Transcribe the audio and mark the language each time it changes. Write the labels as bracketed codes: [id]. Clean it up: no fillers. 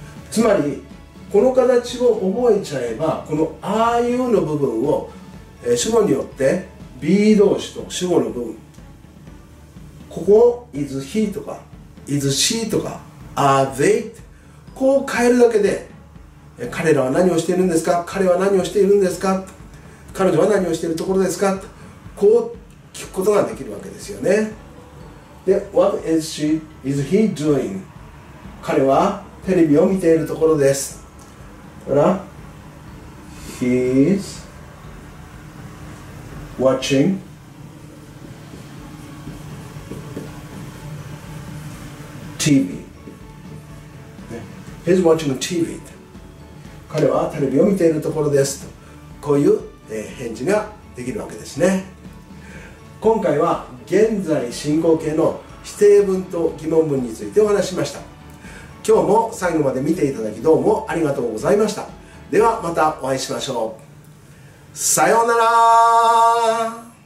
[ja] つまり、この形を覚えちゃえば、この are you の部分を、主語によってB 動詞と主語の部分、ここを is he とか is she とか are they、 こう変えるだけで、彼らは何をしているんですか、彼は何をしているんですか、彼女は何をしているところですか、こう聞くことができるわけですよね。 [en] で、 What is she is he doing? [ja] 彼はテレビを見ているところです。 [en] ほら、 He'sWatching TV、ね、 He's watching TV。 [ja] 彼はテレビを見ているところです、とこういう、返事ができるわけですね。今回は現在進行形の否定文と疑問文についてお話しました。今日も最後まで見ていただき、どうもありがとうございました。ではまたお会いしましょう。さようなら。